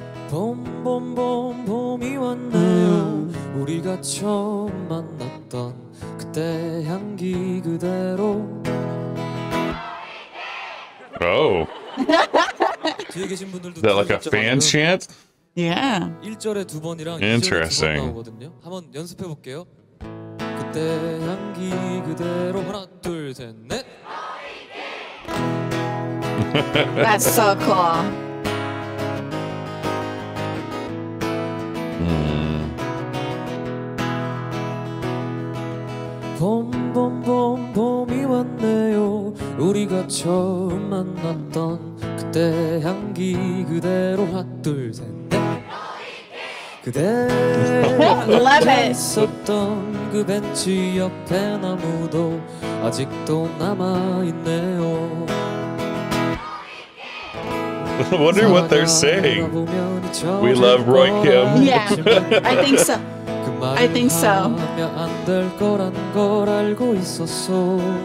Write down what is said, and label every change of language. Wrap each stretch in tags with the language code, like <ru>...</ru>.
<ko>Boom, boom, boom, boom, 이 왔네요. 우리가 처음 만났던 그때 향기 그대로.</ko> <en>Oh. Is that like a fan chant? Yeah.</en> <ko>1절에 두 번이랑 2절에 두 번 나오거든요. 한번 연습해 볼게요. 그때 향기 그대로 하나 둘 셋 넷.</ko> <en>That's so cool.</en> <ko>봄 봄 봄 봄이 왔네요. 우리가 처음 만났던 그때 향기 그대로 하나 둘 셋 넷. 그대였었던 그 벤치 옆에 나무도 아직도 남아 있네요.</ko> <en>I wonder what they're saying. We love Roy Kim. Yeah, I think so. I think so.</en> <ko>안 될 거란 걸 알고 있었어.</ko>